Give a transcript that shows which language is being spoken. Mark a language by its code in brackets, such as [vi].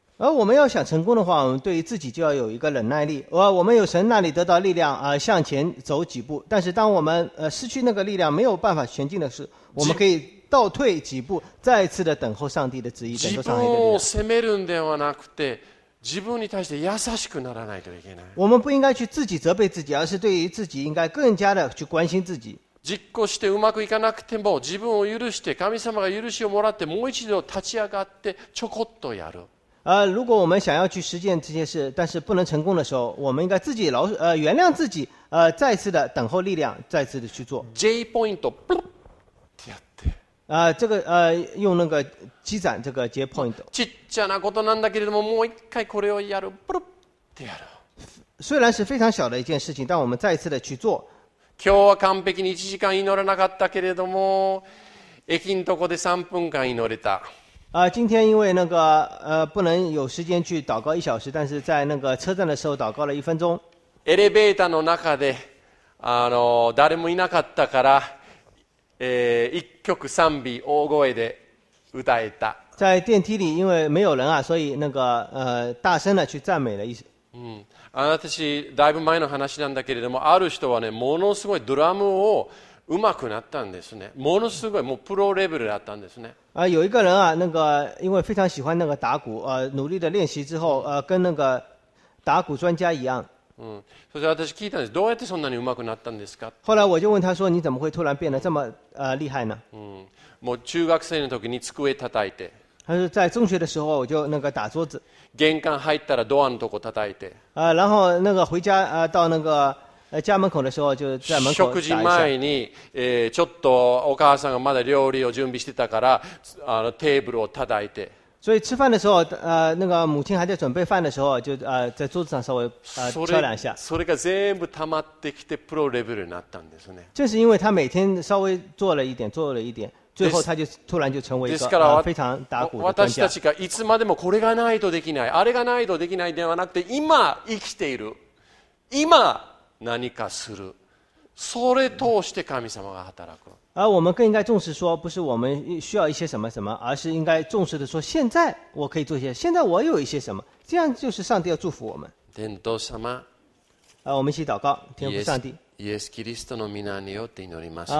[zh] 而我们要想成功的话，我们对于自己就要有一个忍耐力。我们有神那里得到力量，向前走几步。但是当我们失去那个力量，没有办法前进的时候，我们可以倒退几步，再次的等候上帝的旨意，等候上帝的力量。 [ja] 自分を責めるんではなくて、自分に対して優しくならないといけない。 [zh] 我们不应该去自己责备自己，而是对于自己应该更加的去关心自己。 [ja] 実行してうまくいかなくても、自分を許して神様が許しをもらって、もう一度立ち上がってちょこっとやる。 [zh] 如果我们想要去实践这些事，但是不能成功的时候，我们应该自己原谅自己，再次的等候力量，再次的去做。 [ja] J point， 噗，ってやって。 [zh] 这个用那个积攒这个 J point。 [ja] ちっちゃなことなんだけれども、もう一回これをやる、噗，ってやる。 [zh] 虽然是非常小的一件事情，但我们再次的去做。 [ja] 今日は完璧に1時間祈らなかったけれども、駅のとこで3分間祈れた。 [zh] 今天因为那个不能有时间去祷告一小时，但是在那个车站的时候祷告了一分钟。 [ja] エレベーターの中で、誰もいなかったから、一曲賛美大声で歌えた。 [zh] 在电梯里，因为没有人啊，所以那个大声的去赞美了一。 [ja] 私だいぶ前の話なんだけれども、ある人はね、ものすごいドラムを上手くなったんですね。ものすごいもうプロレベルだったんですね。 [zh] 有一个人啊，那个因为非常喜欢那个打鼓，努力的练习之后，跟那个打鼓专家一样。 [ja] そして私聞いたんです。どうやってそんなに上手くなったんですか。 [zh] 后来我就问他说：“你怎么会突然变得这么厉害呢？” [ja] もう中学生の時に机叩いて。 [zh] 他说在中学的时候我就那个打桌子。 [ja] 玄関入ったらドアのとこ叩いて。 [zh] 然后那个回家到那个家门口的时候就在门口打一下。 [ja] 食事前に、ちょっとお母さんがまだ料理を準備してたからテーブルを叩いて。 [zh] 所以吃饭的时候，那个母亲还在准备饭的时候，就在桌子上稍微敲两下。 [ja] それが全部溜まってきてプロレベルになったんですね。 [zh] 正是因为他每天稍微做了一点，做了一点，最后他就突然就成为一个非常打鼓的专家。 [ja] 私たちがいつまでもこれがないとできない、あれがないとできないではなくて、今生きている、今何かする、それ通して神様が働く。 [zh] 而我们更应该重视说，不是我们需要一些什么什么，而是应该重视的说，现在我可以做些，现在我有一些什么，这样就是上帝要祝福我们。 [ja] 天父様， [zh] 我们一起祷告，天父上帝。 [ja] イエスキリストの皆によって祈ります。